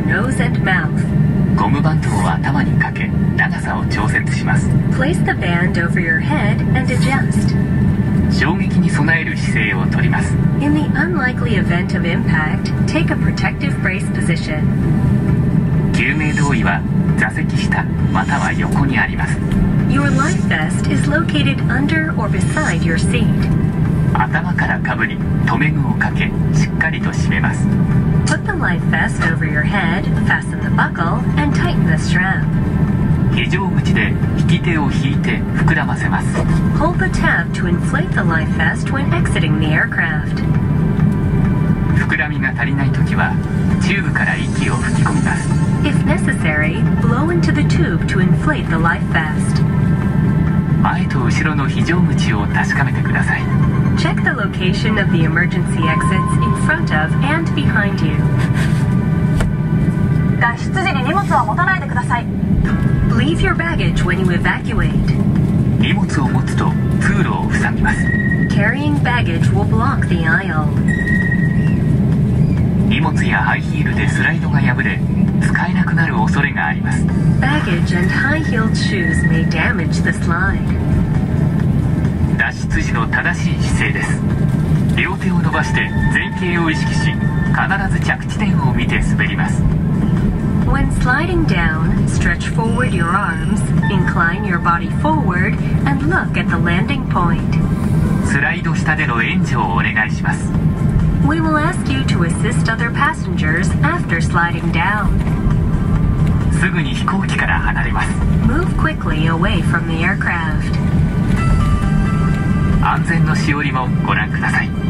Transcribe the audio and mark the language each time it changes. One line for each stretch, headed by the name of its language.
English: Place the band over your head and adjust.
Japanese: 衝撃に備える姿勢をとります。
English: In the unlikely event of impact, take a protective brace position.
Japanese: 救命胴衣は座席下または横にあります。
English: Your life vest is located under or beside your seat.
Japanese: 頭からかぶり、留め具をかけ、しっかりと締めます。
English: Put the life vest over your head, fasten the buckle, and tighten the strap.
Japanese: 非常口で引き手を引いて膨らませます。
English: Hold the tab to inflate the life vest when exiting the aircraft.
Japanese: 膨らみが足りないときは、チューブから息を吹き込みます。
English: If necessary, blow into the tube to inflate the life vest.
Japanese: 前と後ろの非常口を確かめてください。
English: Check the location of the emergency exits in front of and behind you.
Japanese: 脱出時に荷物は持たないでください。
English: Leave your baggage when you evacuate.
Japanese: 荷物を持つと通路を塞ぎます。
English: Carrying baggage will block the aisle.
Japanese: 荷物やハイヒールでスライドが破れ、使えなくなる恐れがあります。
English: Baggage and high-heeled shoes may damage the slide.
Japanese: 脱出時の正しい姿勢です。両手を伸ばして前傾を意識し、必ず着地点を見て滑ります。
English: When sliding down, stretch forward your arms, incline your body forward, and look at the landing point.
Japanese: スライド下での援助をお願いします。
English: We will ask you to assist other passengers after sliding down.
Japanese: すぐに飛行機から離れます。
English: Move quickly away from the aircraft.
Japanese: 安全のしおりもご覧ください。